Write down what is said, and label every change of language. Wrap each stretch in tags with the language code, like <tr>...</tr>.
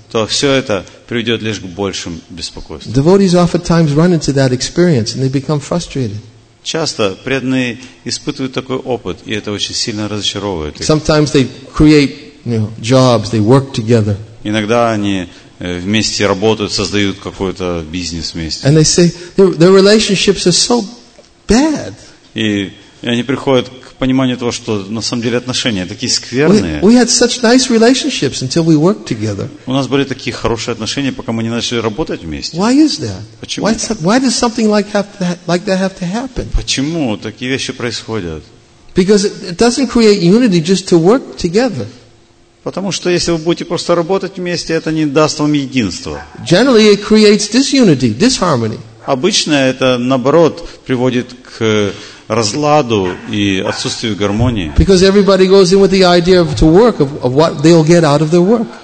<ru>То все это приведет лишь к большим беспокойствам.</ru> <en>Devotees oftentimes run into that experience and they become frustrated.</en> <ru>Часто преданные испытывают такой опыт, и это очень сильно разочаровывает их.</ru> <en>Sometimes they create, you know, jobs, they work together.</en> <ru>Иногда они вместе работают, создают какой-то бизнес вместе.</ru> <en>And they say their relationships are so bad.</en> <ru>И они приходят к пониманию того, что на самом деле отношения такие скверные.</ru> <en>We had such nice relationships until we worked together.</en> <ru>У нас были такие хорошие отношения, пока мы не начали работать вместе.</ru> <en>Why is that?</en> <ru>Почему?</ru> <en>Why does something like that have to happen?</en> <ru>Почему такие вещи происходят?</ru> <en>Because it doesn't create unity just to work together.</en> <ru>Потому что если вы будете просто работать вместе, это не даст вам единства.</ru> <en>Generally, it creates disunity, disharmony.</en> <ru>Обычно это, наоборот, приводит к разладу и отсутствию гармонии.</ru> <en>Because everybody goes in with the idea of to work, of what they'll get out of their work.</en>